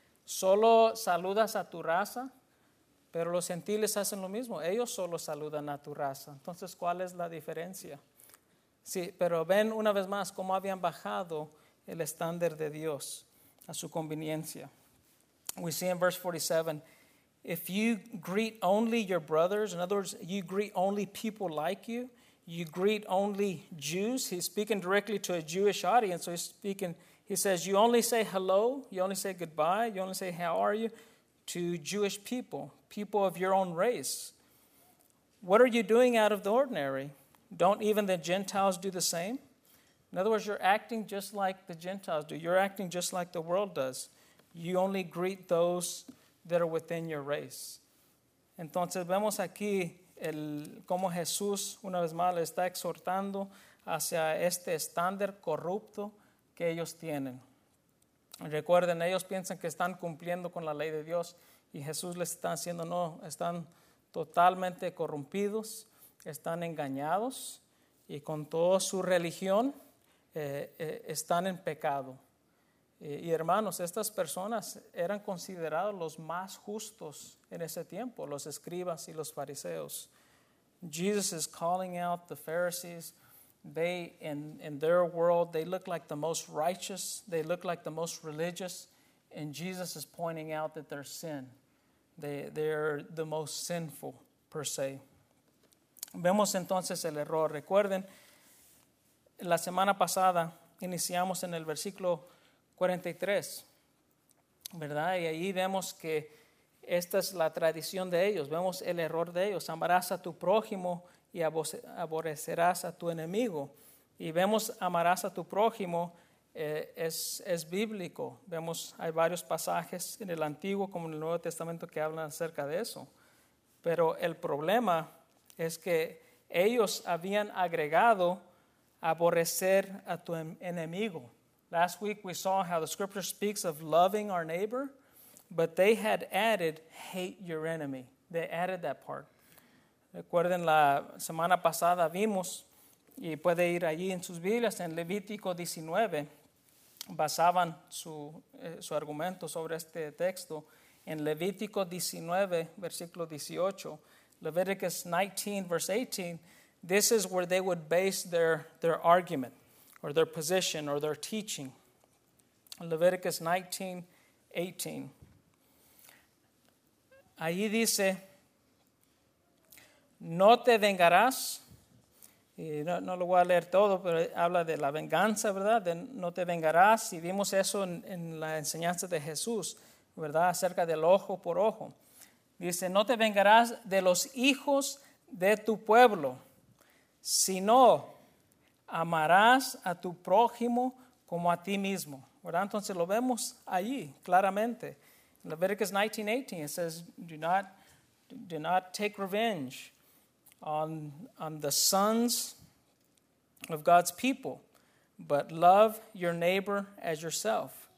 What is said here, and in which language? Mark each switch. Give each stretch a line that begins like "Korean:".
Spanish: solo saludas a tu raza, pero los gentiles hacen lo mismo. Ellos solo saludan a tu raza. Entonces, ¿cuál es la diferencia? Sí, pero ven una vez más cómo habían bajado el estándar de Dios a su conveniencia.
English: We see in verse 47, if you greet only your brothers, in other words, you greet only people like you, you greet only Jews. He's speaking directly to a Jewish audience. So he's speaking, he says, you only say hello, you only say goodbye, you only say how are you to Jewish people, people of your own race. What are you doing out of the ordinary? Don't even the Gentiles do the same? In other words, you're acting just like the Gentiles do. You're acting just like the world does. You only greet those that are within your race.
Spanish: Entonces vemos aquí el cómo Jesús una vez más le está exhortando hacia este estándar corrupto que ellos tienen. Recuerden, ellos piensan que están cumpliendo con la ley de Dios y Jesús les está diciendo no, están totalmente corrompidos, están engañados y con toda su religión están en pecado. Y hermanos, estas personas eran considerados los más justos en ese tiempo, los escribas y los fariseos.
English: Jesus is calling out the Pharisees. They, in their world, they look like the most righteous. They look like the most religious. And Jesus is pointing out that they're sin. They're the most sinful, per se.
Spanish: Vemos entonces el error. Recuerden, la semana pasada iniciamos en el versículo 43, ¿verdad? Y ahí vemos que esta es la tradición de ellos. Vemos el error de ellos. Amarás a tu prójimo y aborrecerás a tu enemigo. Y vemos amarás a tu prójimo, es bíblico. Vemos, hay varios pasajes en el Antiguo como en el Nuevo Testamento que hablan acerca de eso. Pero el problema es que ellos habían agregado aborrecer a tu enemigo.
English: Last week we saw how the scripture speaks of loving our neighbor, but they had added hate your enemy. They added that part.
Spanish: Recuerden, la semana pasada vimos, y puede ir allí en sus Biblias, en Levítico 19, basaban su argumento sobre este texto. En Levítico 19, versículo 18,
English: Leviticus 19, verse 18, this is where they would base their argument. Or their position, or their teaching. Leviticus 19:18.
Spanish: Ahí dice, no te vengarás. Y no lo voy a leer todo, pero habla de la venganza, ¿verdad? De no te vengarás. Y vimos eso en la enseñanza de Jesús, ¿verdad? Acerca del ojo por ojo. Dice, no te vengarás de los hijos de tu pueblo, sino amarás a tu prójimo como a ti mismo, ¿verdad? Entonces lo vemos allí claramente.
English: Leviticus 19:18, it says, do not take revenge on the sons of God's people, but love your neighbor as yourself.